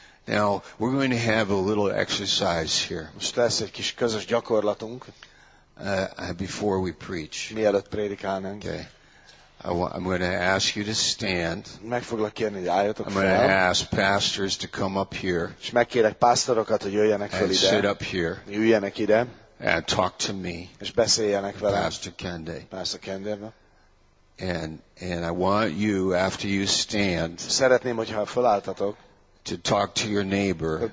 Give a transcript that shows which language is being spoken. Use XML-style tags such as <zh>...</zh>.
<en>Now, we're going to have a little exercise here.</en> <hu>Most lesz egy kis közös gyakorlatunk.</hu> <en>Before we preach.</en> <hu>Mielőtt prédikálnánk.</hu> <en>Okay. I'm going to ask you to stand.</en> <hu>Meg foglak kérni, hogy álljatok fel.</hu> <en>I'm going to ask pastors to come up here.</en> <hu>És megkérek pásztorokat, hogy jöjjenek fel ide.</hu> <en>And sit up here.</en> <hu>Üljenek ide.</hu> <en>And talk to me.</en> <hu>És beszéljenek velem.</hu> <en>Pastor Kende.</en> <hu>Pastor Kende.</hu> <en>And I want you, after you stand,</en> <hu>szeretném, hogyha felálltatok,</hu> <en>to talk to your neighbor,</en>